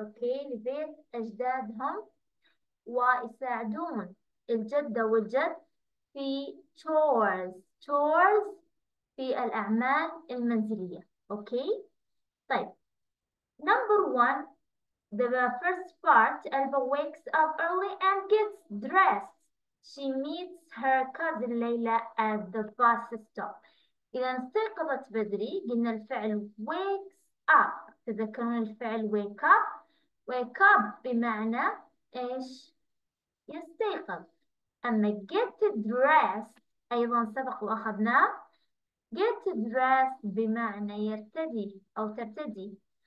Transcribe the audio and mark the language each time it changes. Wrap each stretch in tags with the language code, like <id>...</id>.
<ar>أوكي، لبيت أجدادهم ويساعدون الجدة والجد في chores. chores في الأعمال المنزلية.</ar> <en>Okay, طيب number one the first part. Alba wakes up early and gets dressed. She meets her cousin Layla at the bus stop.</en> <ar>إذا استيقظت بدري، قلنا الفعل wakes up، تذكرون الفعل wake up. Wake up بمعنى إيش؟ يستيقظ. أما get dressed أيضا سبق وأخذناه. Get dressed بمعنى يرتدي أو ترتدي.</ar>